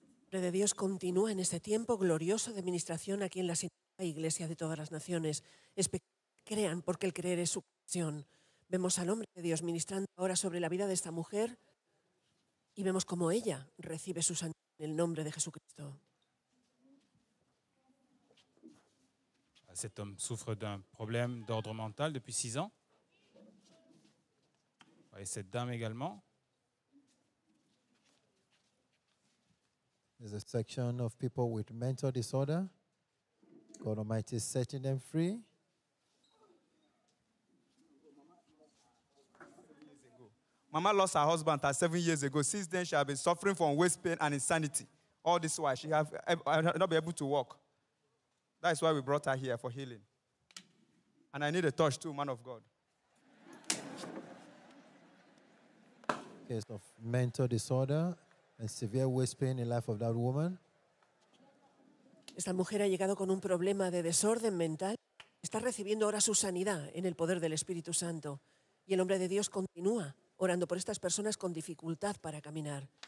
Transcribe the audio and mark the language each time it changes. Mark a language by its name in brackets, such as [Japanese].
[Spanish] Padre de Dios, continúa en este tiempo glorioso de administración aquí en la Iglesia de todas las naciones. Crean, porque el creer es su pasión. Vemos al hombre de Dios ministrando ahora sobre la vida de esta mujer y vemos cómo ella recibe su sanidad en el nombre de Jesucristo. [French] Cet homme souffre d'un problème d'ordre mental depuis 6 ans. Et cette dame également. [English] There's a section of people with mental disorder. God Almighty is setting them free. Mama lost her husband 7 years ago. Since then, she has been suffering from waist pain and insanity. All this while, she has not been able to walk. That is why we brought her here for healing. And I need a touch too, man of God. Case of mental disorder and severe waist pain in life of that woman. [Spanish] Esta mujer ha llegado con un problema de desorden mental. Está recibiendo ahora su sanidad en el poder del Espíritu Santo. Y el hombre de Dios continúa orando por estas personas con dificultad para caminar.